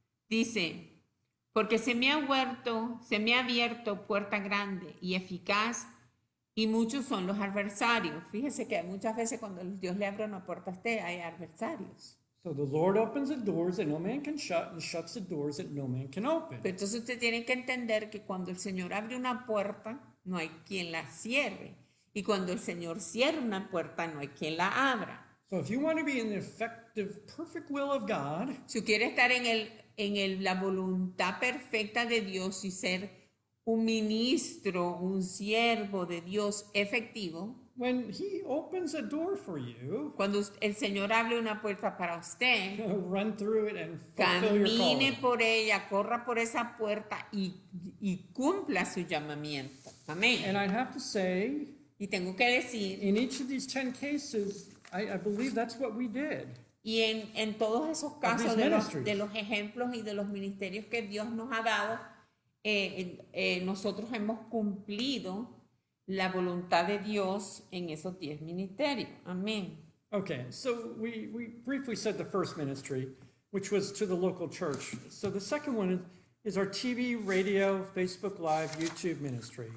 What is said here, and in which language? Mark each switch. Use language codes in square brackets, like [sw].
[es] Dice, porque se me ha abierto puerta grande y eficaz y muchos son los adversarios. Fíjese que muchas veces cuando Dios le abre una puerta a usted hay adversarios. [en] So the Lord opens the doors that no man can shut and shuts the doors that no man can open. [es] Pero entonces usted tiene que entender que cuando el Señor abre una puerta, no hay quien la cierre. Y cuando el Señor cierra una puerta, no hay quien la abra. [en] So if you want to be in the effective, perfect will of God, [es] si quiere estar en la voluntad perfecta de Dios y ser un ministro, un siervo de Dios efectivo, [en] when he opens a door for you, [es] cuando el Señor abre una puerta para usted, [en] run through it and [es] camine por ella, corra por esa puerta y cumpla su llamamiento. Amén. [en] And I have to say, [es] y tengo que decir, [en] in each of these 10 cases, I believe that's what we did. [es] Y en todos esos casos de los ejemplos y de los ministerios que Dios nos ha dado, nosotros hemos cumplido la voluntad de Dios en esos 10 ministerios. Amén. [en] Okay, so we briefly said the first ministry, which was to the local church. So the second one is our TV, radio, Facebook Live, YouTube ministry.